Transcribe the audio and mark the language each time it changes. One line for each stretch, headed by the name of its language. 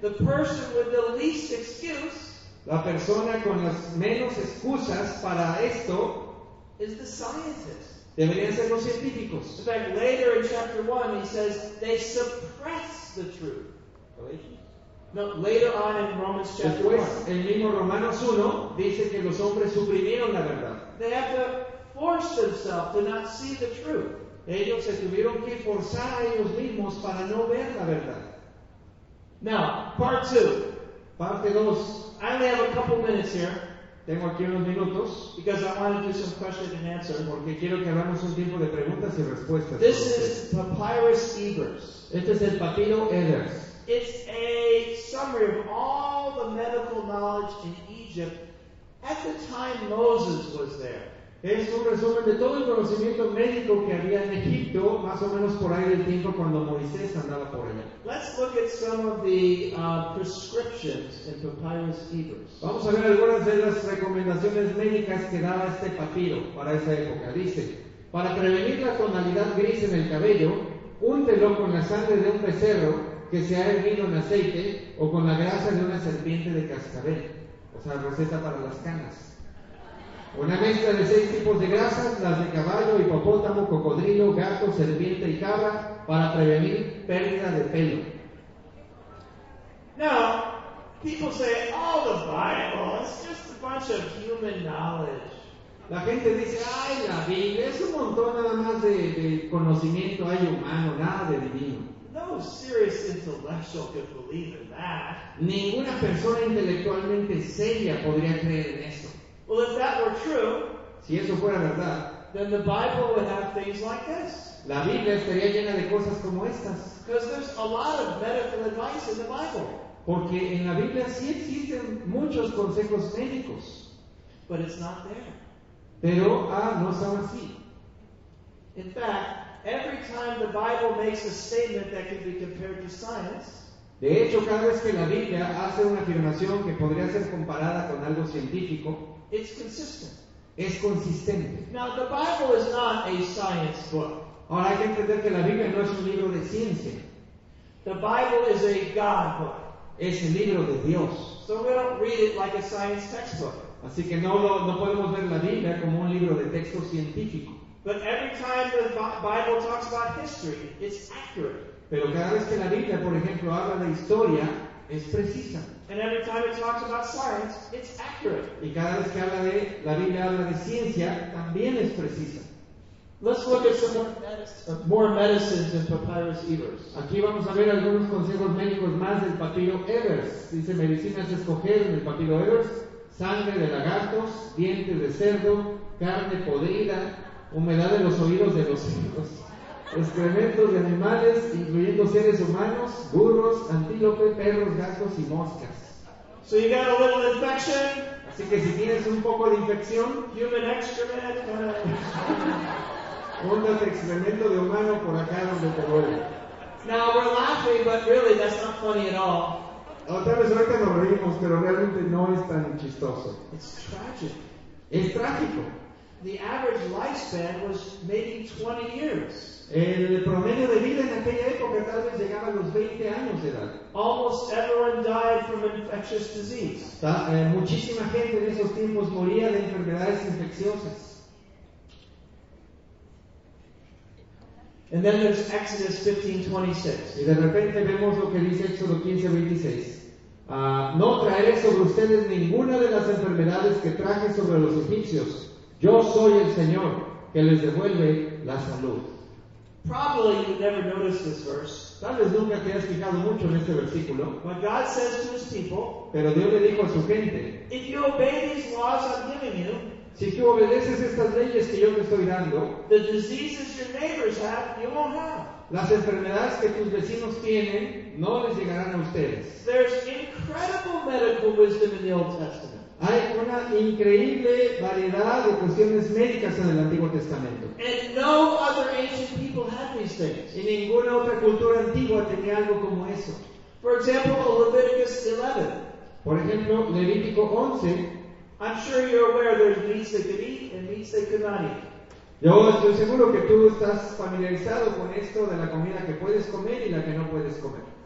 English: The person with the least excuse.
Spanish: La persona con las menos excusas para esto.
English: Is the scientist.
Spanish: Deberían ser los científicos.
English: In fact, later in chapter 1, he says they suppress the truth. No, later on in Romans chapter 1.
Spanish: Después, el mismo Romanos 1 dice que los hombres suprimieron la verdad.
English: They have to force themselves to not see the truth.
Spanish: Ellos se tuvieron que forzar a ellos mismos para no ver la verdad.
English: Now, part 2.
Spanish: Parte 2.
English: I only have a couple minutes here.
Spanish: Tengo aquí unos minutos.
English: Because I want to do some question and answer.
Spanish: Porque quiero que hagamos un tiempo de preguntas y respuestas.
English: This is Papyrus Ebers.
Spanish: Este es el papiro Ebers.
English: It's a summary of all the medical knowledge in Egypt at the time Moses was there.
Spanish: Es un resumen de todo el conocimiento médico que había en Egipto, más o menos por ahí del tiempo cuando Moisés andaba por allá.
English: Let's look at some of the prescriptions in Papyrus Ebers.
Spanish: Vamos a ver algunas de las recomendaciones médicas que daba este papiro para esa época. Dice, para prevenir la tonalidad gris en el cabello, úntelo con la sangre de un becerro que se ha hervido en aceite o con la grasa de una serpiente de cascabel. O sea, receta para las canas. Una mezcla de 6 tipos de grasas, las de caballo, hipopótamo, cocodrilo, gato, serpiente y cabra, para prevenir pérdida de pelo.
English: Now, people say, oh, the Bible, it's just a bunch of human knowledge.
Spanish: La gente dice, ay, la Biblia, es un montón nada más de conocimiento, hay humano, nada de divino.
English: No serious intellectual could believe in that.
Spanish: Ninguna persona intelectualmente seria podría creer en eso.
English: Well, if that were true,
Spanish: si eso fuera verdad,
English: then the Bible would have things like this.
Spanish: La Biblia estaría llena de cosas como estas.
English: Because there's a lot of medical advice in the Bible.
Spanish: Porque en la Biblia sí existen muchos consejos médicos.
English: But it's not there.
Spanish: Pero no son así.
English: In fact, every time the Bible makes a statement that can be compared to science.
Spanish: De hecho, cada vez que la Biblia hace una afirmación que podría ser comparada con algo científico.
English: It's consistent.
Spanish: Es consistente.
English: Now, the Bible is not a science book.
Spanish: Ahora hay que entender que la Biblia no es un libro de ciencia.
English: The Bible is a God book.
Spanish: Es el libro de Dios.
English: So we don't read it like a science textbook.
Spanish: Así que no podemos ver la Biblia como un libro de texto científico.
English: But every time the Bible talks about history, it's accurate.
Spanish: Pero cada vez que la Biblia, por ejemplo, habla de historia, es precisa.
English: And every time it talks about science, it's accurate.
Spanish: Y cada vez que habla de la Biblia habla de ciencia, también es precisa.
English: Let's look at some more medicines in Papyrus Ebers.
Spanish: Aquí vamos a ver algunos consejos médicos más del papiro Ebers. Dice medicinas escogidas en el papiro Ebers: sangre de lagartos, dientes de cerdo, carne podrida, humedad de los oídos de los cerdos, excrementos de animales, incluyendo seres humanos, burros, antílope, perros, gatos y moscas.
English: So you got a little infection.
Spanish: Así que si tienes un poco de infección,
English: human excrement.
Spanish: Un excremento de humano por acá donde te duele.
English: Now we're laughing, but really that's not funny at all.
Spanish: Otra vez ahorita nos reímos, pero realmente no es tan chistoso.
English: It's tragic.
Spanish: Es trágico.
English: The average lifespan was maybe 20 years.
Spanish: El promedio de vida en aquella época tal vez llegaba a los 20 años de edad.
English: Almost everyone died from infectious disease.
Spanish: Muchísima gente en esos tiempos moría de enfermedades infecciosas.
English: And then there's Exodus 15:26.
Spanish: Y de repente vemos lo que dice Éxodo 15:26. No traeré sobre ustedes ninguna de las enfermedades que traje sobre los egipcios. Yo soy el Señor que les devuelve la salud.
English: Probably you never noticed this verse.
Spanish: Tal vez nunca te has fijado mucho en este versículo.
English: But God says to his people,
Spanish: pero Dios le dijo a su gente,
English: if you obey these laws I'm giving you,
Spanish: si tú obedeces estas leyes que yo te estoy dando,
English: the diseases your neighbors have, you won't have.
Spanish: Las enfermedades que tus vecinos tienen no les llegarán a ustedes.
English: There's incredible medical wisdom in the Old Testament.
Spanish: Hay una increíble variedad de cuestiones médicas en el Antiguo Testamento.
English: And no other ancient people had these things.
Spanish: Y ninguna otra cultura antigua tenía algo como eso.
English: For example, Leviticus 11.
Spanish: Por ejemplo, Levítico 11.
English: I'm sure you're aware there's meats they could eat and meats they could not eat.
Spanish: Yo estoy seguro que tú estás familiarizado con esto de la comida que puedes comer y la que no puedes comer.